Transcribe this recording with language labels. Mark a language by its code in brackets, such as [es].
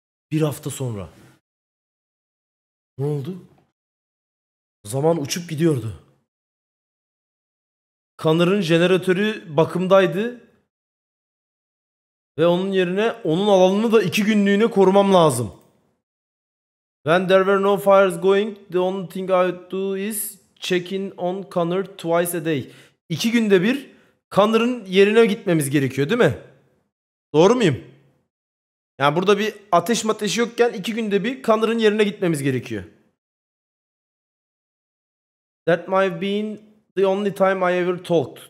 [tr] Bir hafta sonra. Ne oldu? Zaman uçup gidiyordu. Connor'ın jeneratörü bakımdaydı. Ve onun yerine onun alanını da iki günlüğüne korumam lazım. [en] When there were no fires going, the only thing I would do is check in on Connor twice a day. [tr] İki günde bir Connor'ın yerine gitmemiz gerekiyor değil mi? Doğru muyum? Yani burada bir ateş mateşi yokken iki günde bir Connor'ın yerine gitmemiz gerekiyor. [en] That might have been the only time I ever talked.